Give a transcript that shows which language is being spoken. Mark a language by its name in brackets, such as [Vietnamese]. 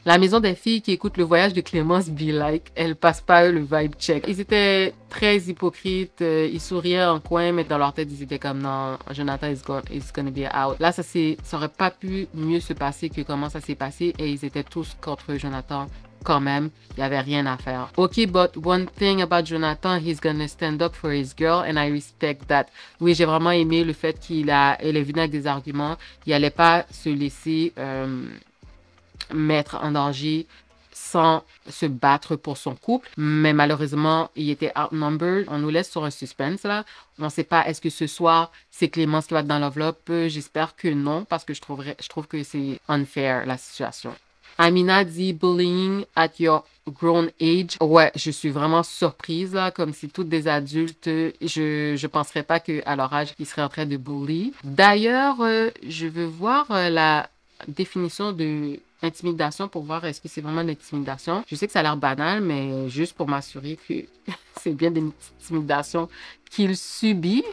[French] La maison des filles qui écoutent le voyage de Clémence, be like, elle passe pas le vibe check. Ils étaient très hypocrites, ils souriaient en coin, mais dans leur tête, ils étaient comme, non, [English] Jonathan is gonna be out. [French] Là, ça aurait pas pu mieux se passer que comment ça s'est passé, et ils étaient tous contre Jonathan quand même, il y avait rien à faire. [English] Ok, but one thing about Jonathan, he's gonna stand up for his girl and I respect that. [French] Oui, j'ai vraiment aimé le fait qu'il est venu avec des arguments. Il allait pas se laisser mettre en danger sans se battre pour son couple. Mais malheureusement, il était outnumbered. On nous laisse sur un suspense là. On sait pas, est-ce que ce soir, c'est Clémence qui va être dans l'enveloppe? J'espère que non, parce que je trouve que c'est unfair la situation. [English] Amina dit bullying at your grown age. [French] Ouais, je suis vraiment surprise là, comme si toutes des adultes, je penserais pas que à leur âge, ils seraient en train de bully. D'ailleurs, je veux voir la définition de intimidation pour voir est-ce que c'est vraiment de l'intimidation. Je sais que ça a l'air banal, mais juste pour m'assurer que c'est bien de l'intimidation qu'il subit.